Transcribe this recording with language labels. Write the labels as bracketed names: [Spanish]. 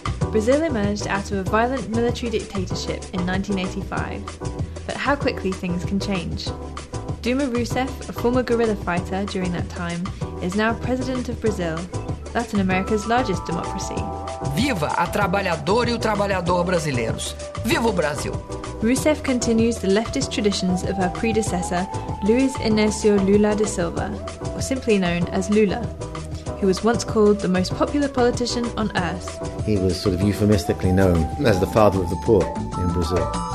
[English] Brazil emerged out of a violent military dictatorship in 1985. But how quickly things can change. Dilma Rousseff, a former guerrilla fighter during that time, is now president of Brazil, Latin America's largest democracy. [Portuguese] Viva a trabalhadora e o trabalhador brasileiros! Viva o Brasil! [English] Rousseff continues the leftist traditions of her predecessor, Luiz Inácio Lula da Silva, or simply known as Lula, who was once called the most popular politician on earth. He was sort of euphemistically known as the father of the poor in Brazil.